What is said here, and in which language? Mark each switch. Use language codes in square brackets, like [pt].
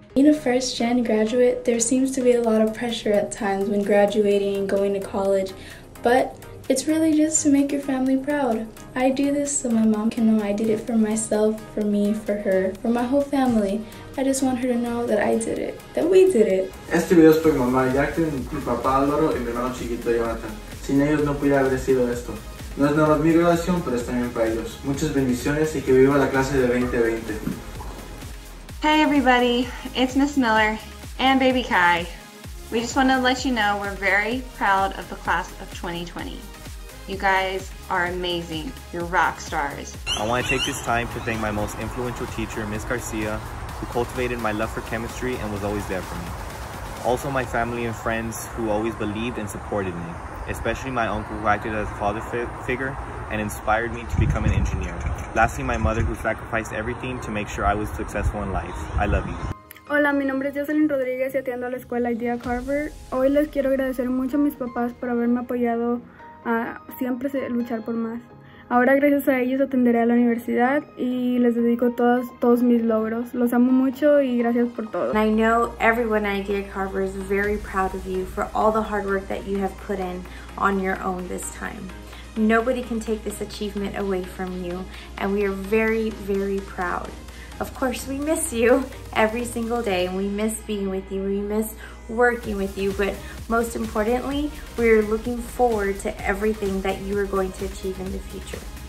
[en] Being a first-gen graduate, there seems to be a lot of pressure at times when graduating and going to college, but it's really just to make your family proud. I do this so my mom can know I did it for myself, for me, for her, for my whole family. I just want her to know that I did it, that we did it. [es] Este video es por mi mamá Jacqueline, mi papá Álvaro y mi hermano chiquito Jonathan. Sin ellos no podría haber sido esto. No es nada más mi relación, pero es también para ellos. Muchas bendiciones y que viva la clase de 2020. [en] Hey everybody, it's Miss Miller and Baby Kai. We just want to let you know we're very proud of the class of 2020. You guys are amazing. You're rock stars. I want to take this time to thank my most influential teacher, Miss Garcia, who cultivated my love for chemistry and was always there for me. Also my family and friends who always believed and supported me, especially my uncle who acted as a father figure and inspired me to become an engineer. Lastly, my mother who sacrificed everything to make sure I was successful in life. I love you. [es] Hola, mi nombre es Jocelyn Rodriguez y atiendo a la escuela Idea Carver. Hoy les quiero agradecer mucho a mis papás por haberme apoyado a siempre luchar por más. Ahora gracias a ellos atenderé a la universidad y les dedico todos mis logros. Los amo mucho y gracias por todo. [en] And I know everyone at Idea Carver is very proud of you for all the hard work that you have put in on your own this time. Nobody can take this achievement away from you and we are very, very proud. Of course, we miss you every single day and we miss being with you. We miss working with you, but most importantly, we're looking forward to everything that you are going to achieve in the future.